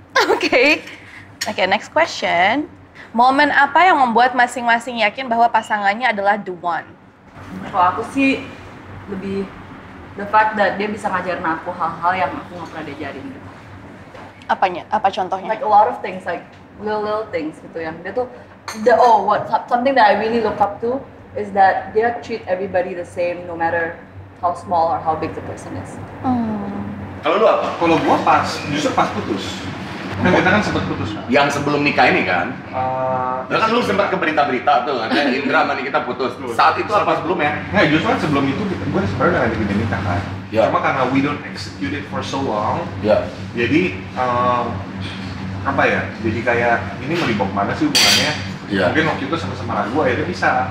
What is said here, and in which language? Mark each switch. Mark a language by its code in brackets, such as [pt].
[en] Oke. Okay, next question. [id] Momen apa yang membuat masing-masing yakin bahwa pasangannya adalah [en] the one? [id] Kalau aku sih lebih [en] the fact that [id] dia bisa ngajarin aku hal-hal yang aku nggak pernah diajarin. Apanya? Apa contohnya? [en] Like a lot of things, like little things [id] gitu yang dia tuh [en] the what something that I really look up to is that they treat everybody the same no matter how small or how big the person is. [id] Kalau lu apa? Kalau gua pas justru pas putus. Kan kita kan sempat putus kan? Yang sebelum nikah ini kan? Ya kan lu sempat ke berita-berita tuh kan? Indra sama Nikita putus. Saat itu apa sebelumnya? Nggak, justru kan sebelum itu gue sebenarnya udah ada nikah kan? [en] Yeah. [id] Cuma karena [en] we don't execute it for so long, yeah. [id] Jadi apa ya? Jadi kayak ini melibok mana sih hubungannya? [en] Yeah. [id] Mungkin waktu itu sama-sama ragu, akhirnya bisa.